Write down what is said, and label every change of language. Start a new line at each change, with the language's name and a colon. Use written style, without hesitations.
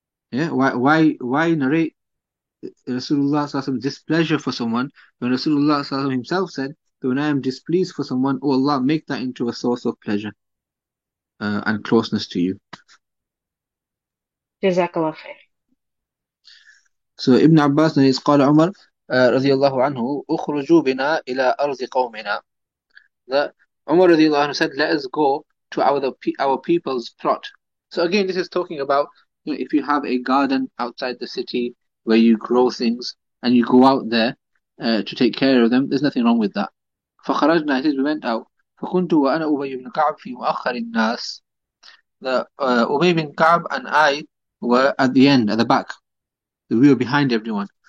English: Yeah, why narrate Rasulullah's displeasure for someone when Rasulullah himself said that when I am displeased for someone, oh Allah, make that into a source of pleasure and closeness to you. Jazakallah khair. So Ibn Abbas narrates,
Arabic: قال عمر رضي الله عنه أخرجوا بنا إلى أرض قومنا.
English: Umar رضي الله عنه said, let us go to our people's plot. So again, this is talking about, you know, if you have a garden outside the city where you grow things and you go out there to take care of them, there's nothing wrong with that.
Arabic: فخرجنا,
English: he says, we went out.
Arabic: فكنت وأنا أبي بن كعب في مؤخر الناس.
English: Ubay bin Ka'b and I were at the end, at the back. We were behind everyone.